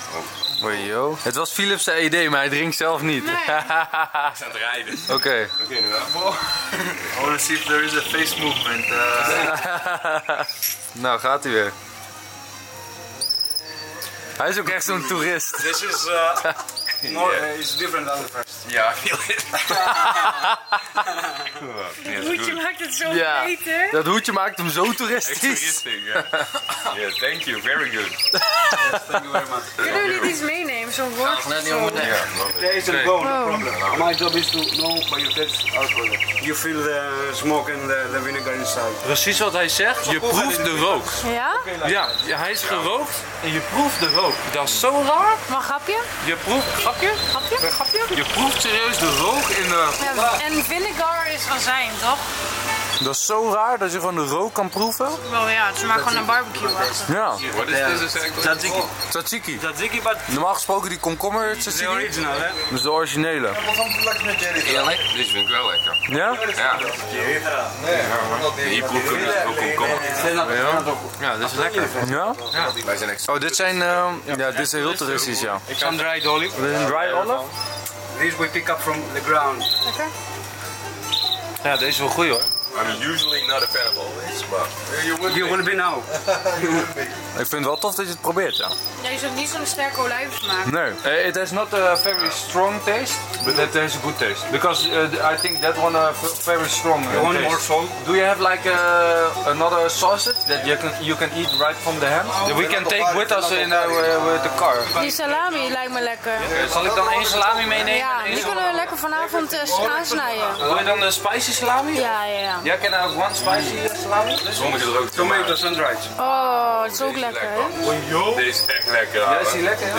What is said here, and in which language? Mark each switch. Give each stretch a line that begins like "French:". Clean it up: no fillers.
Dutch: Oh. Yo. Het was Philips' idee, maar hij drinkt zelf niet. Nee. Ik sta aan het rijden. Oké.
English: Okay. Okay, I want to see if there is a face movement.
Dutch: Nou, gaat hij weer. Hij is ook echt zo'n toerist.
English: This is more, it's different than the first. Ja, I feel it.
Dutch: Het hoedje maakt het zo beter. Dat hoedje maakt hem zo toeristisch. Echt toeristisch, ja.
English: Yeah, thank you, very good. Yes, thank you very much.
Dutch: Kunnen jullie iets meenemen, zo'n woord? Ja, net niet meer.
English: There is a bone problem. My job is to know by your taste our product. You feel the smoke and the vinegar inside.
Dutch: Precies wat hij zegt, je proeft de rook. Ja? Ja, hij is gerookt en je proeft de rook. Dat is zo raar. Maar grapje? Je proeft... Grapje? Grapje? Grapje? Je proeft serieus de rook in de... Ja, en vinegar is azijn, toch? Dat is zo raar dat je gewoon de rook kan proeven. Wel ja, ze maken gewoon een barbecue. Ja. Yeah. Wat is dit? Tzatziki. Tzatziki. Tzatziki, maar... Normaal gesproken die komkommer tzatziki. De original, hè? Dat is de originele. Deze vind ik wel lekker. Ja? Ja. Hier proef je ook komkommer. Ja, dit is lekker. Ja? Ja. Oh, dit zijn... ja, dit is heel toeristisch, ja. Ik ga een
English: dried olive.
Dutch: Dit is een dried olive?
English: These we pick up from the ground.
Dutch: Oké. Ja, deze is wel goed, hoor.
English: I'm usually not a fan of all this, but... You wanna be now.
Dutch: Ik vind het wel tof dat je het probeert, ja. Deze heeft niet zo'n sterke olijfsmaak. Nee.
English: It has not a very strong taste, but it has a good taste. Because I think that one very strong You want more salt? Do you have like another sausage that you can eat right from the ham? Oh, we can take with us in with the car.
Dutch: Die salami lijkt me lekker.
English: Yeah.
Dutch: Zal ik dan één salami meenemen? Ja, die kunnen we lekker vanavond aansnijden. Wil je dan de spicy salami? Ja, ja. Jij kan ook
English: one spicy salami?
Dutch: Sommige er ook.
English: Tomato sun-dried.
Dutch: Oh, het is ook lekker. Deze is echt lekker. Ja, is die lekker?